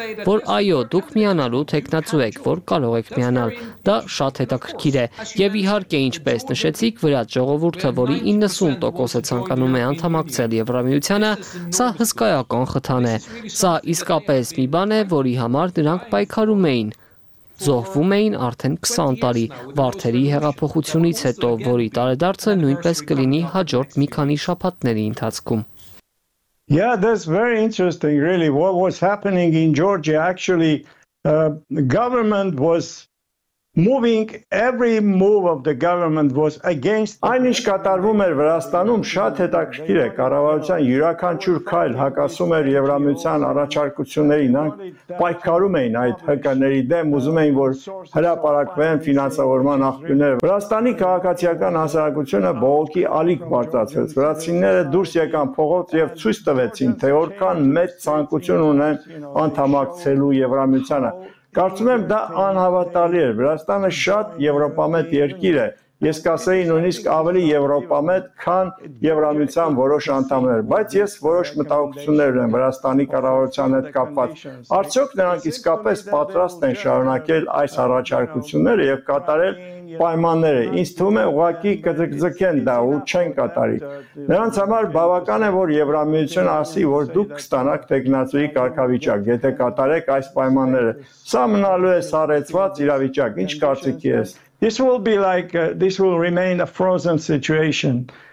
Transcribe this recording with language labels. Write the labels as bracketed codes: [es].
[hy] որ այո, դուք միանալու թեկնածու եք, որ կարող եք միանալ։ Դա շատ հետաքրքիր է, եւ իհարկե ինչպես նշեցիք, վրաց ժողովուրդը, որի 90% ցանկանում է անդամակցել Եվրամիությանը, սա հսկայական խթան է։ Սա իսկապես մի բան է, որի համար նրանք պայքարում էին։ Զոհվում էին արդեն 20 տարի Վարդերի հեղափոխությունից հետո, որի տարեդարձը նույնպես կլինի հաջորդ մի քանի շաբաթների ընթացքում։ [en] Yeah, that's very interesting really what was happening in Georgia actually government was Moving every move of the government was against [hy] Այնիշ կատարվում էր Վրաստանում շատ հետաքրքիր է կառավարության յուրաքանչյուր քայլ հակասում էր Եվրամիության առաջարկությունների նրանք պայքարում էին այդ ՀԿ-ների դեմ ուզում էին որ հրապարակվեն ֆինանսավորման աղբյուրները Վրաստանի քաղաքացիական հասարակությունը բողոքի ալիք բարձրացրեց վրացինները դուրս եկան փողոց եւ ցույց տվեցին թե որքան մեծ ցանկություն ունեն անդամակցելու Եվրամիությանը Կարծում եմ դա անհավատալի է։ Վրաստանը շատ եվրոպամետ երկիր է։ Ես կասեի նույնիսկ ավելի եվրոպամետ, քան Եվրամիության որոշ անդամներ, բայց ես որոշ մտահոգություններ ունեմ Վրաստանի կառավարության հետ կապված։ Արդյոք նրանք իսկապես պատրաստ են շարունակել այս առաջարկությունները եւ կատարել պայմանները։ Ինձ թվում է ուղղակի կձգձգեն դա ու չեն կատարի։ Նրանց համար բավական է, որ Եվրամիությունը ասի, որ դուք կստանաք տեղնացուի կարգավիճակ, եթե կատարեք այս պայմանները։ Սա մնալու է սարեցված իրավիճակ։ Ինչ կարծիքի ես։ [en] This will be like this will remain a frozen situation.